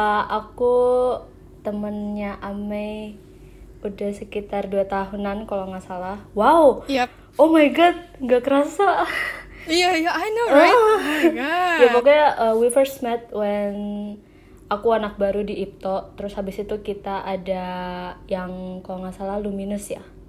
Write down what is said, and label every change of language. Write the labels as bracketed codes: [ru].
[id] Aku temennya Ame udah sekitar 2 tahunan kalau enggak salah. [en] Wow. Yep. Oh my god, [id] enggak kerasa. [en] Iya, yeah, I know, right? Oh my god. [id] Ya, pokoknya [en] we first met when [id] aku anak baru di IPTO, terus habis itu kita ada yang kalau enggak salah Luminous ya.